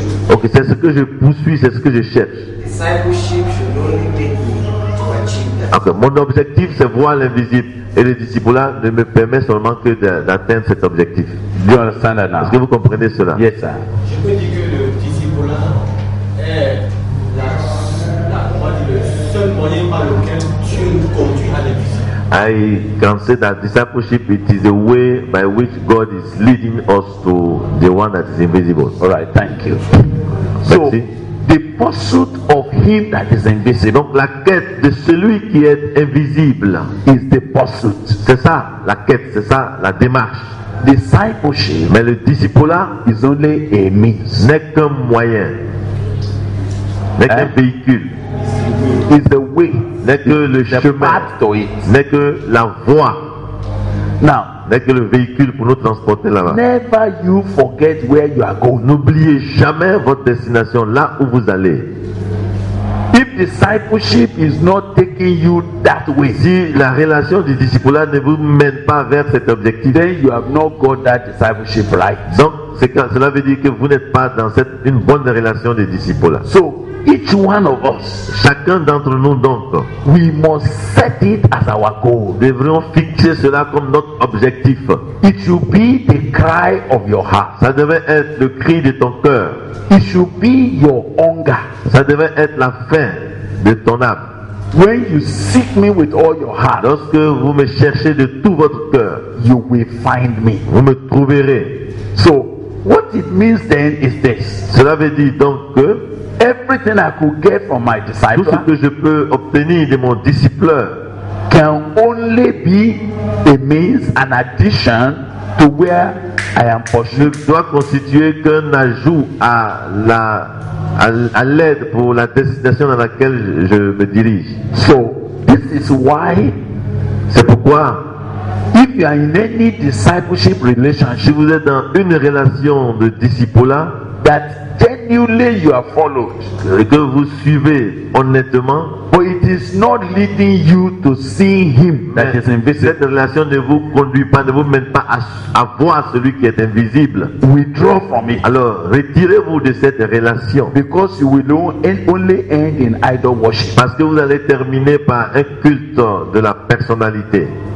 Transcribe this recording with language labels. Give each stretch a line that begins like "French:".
French: Okay, c'est ce que je poursuis, c'est ce que je cherche.
English: Discipleship should only take me to achieve that.
French: Okay, mon objectif, c'est voir l'invisible. Et le discipula ne me permet seulement que d'atteindre cet objectif.
English: Do you understand that now?
French: Est-ce que vous comprenez cela?
English: Yes, sir.
French: Je peux dire que le discipula est le seul moyen par lequel Dieu nous conduit à l'invisible.
English: I can say that discipleship, it is a way by which God is leading us to the one that is invisible. All right, thank you. So, the pursuit of him that is invisible,
French: donc la quête de celui qui est invisible,
English: is the pursuit.
French: C'est ça, la quête, c'est ça, la démarche.
English: Discipleship,
French: mais le disciple
English: is only a means,
French: n'est qu'un moyen, n'est qu'un véhicule.
English: Is the way,
French: n'est que le chemin,
English: path to it,
French: n'est que la voie.
English: Now,
French: n'est que le véhicule pour nous transporter là-bas.
English: Never you forget where you are going.
French: N'oubliez jamais votre destination, là où vous allez.
English: If discipleship is not taking you that way,
French: si la relation du discipulat ne vous mène pas vers cet objectif,
English: then you have not got that discipleship right.
French: Donc, cela veut dire que vous n'êtes pas dans une bonne relation des discipulats.
English: So, each one of us,
French: chacun d'entre nous donc,
English: we must set it as our goal.
French: Devrions fixer cela comme notre objectif.
English: It should be the cry of your heart.
French: Ça devrait être le cri de ton cœur.
English: It should be your hunger.
French: Ça devrait être la faim de ton âme.
English: When you seek me with all your heart,
French: lorsque vous me cherchez de tout votre cœur,
English: you will find me.
French: Vous me trouverez.
English: So, what it means then is this.
French: Cela veut dire donc que
English: everything I could get from my disciple,
French: tout ce que je peux obtenir de mon disciple,
English: can only be a means, an addition to where I am pursuing.
French: Ne doit constituer qu'un ajout à l'aide pour la destination dans laquelle je me dirige.
English: So this is why.
French: C'est pourquoi.
English: If you are in any discipleship relationship,
French: si vous êtes dans une relation de discipulat,
English: that genuinely you are followed,
French: que vous suivez honnêtement,
English: but it is not leading you to see him that is invisible.
French: Cette relation ne vous conduit pas, ne vous mène pas à voir celui qui est invisible.
English: Withdraw from it.
French: Alors, retirez-vous de cette relation.
English: Because you will only end in idol worship.
French: Parce que vous allez terminer par un culte de la personnalité.